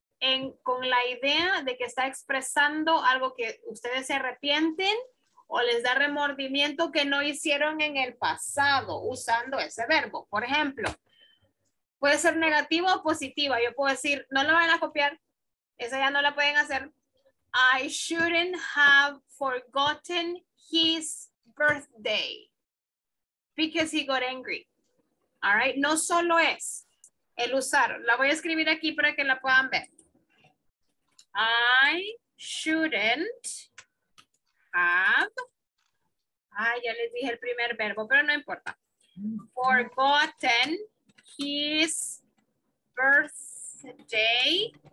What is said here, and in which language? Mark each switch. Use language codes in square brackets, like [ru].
[es] En, con la idea de que está expresando algo que ustedes se arrepienten o les da remordimiento que no hicieron en el pasado usando ese verbo. Por ejemplo, puede ser negativa o positiva. Yo puedo decir, no lo van a copiar. Esa ya no la pueden hacer. [en] I shouldn't have forgotten his birthday because he got angry. All right. [es] No solo es el usar. La voy a escribir aquí para que la puedan ver. [en] I shouldn't have. [es] Ay, ya les dije el primer verbo, pero no importa. [en] Forgotten his birthday.